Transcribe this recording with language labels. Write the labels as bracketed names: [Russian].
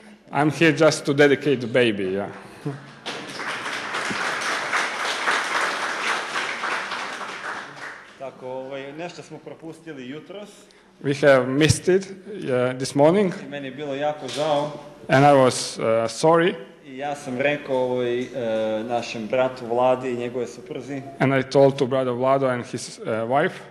[English] I'm here just to dedicate the baby, yeah. [Serbian] Tako, nešto smo propustili jutros. [English] We have missed it this morning. [Serbian] I meni je bilo jako žao. [English] And I was sorry. [Serbian] I ja sam rekao našem bratu Vladi i njegove supruzi. [English] And I told to brother Vlado and his wife.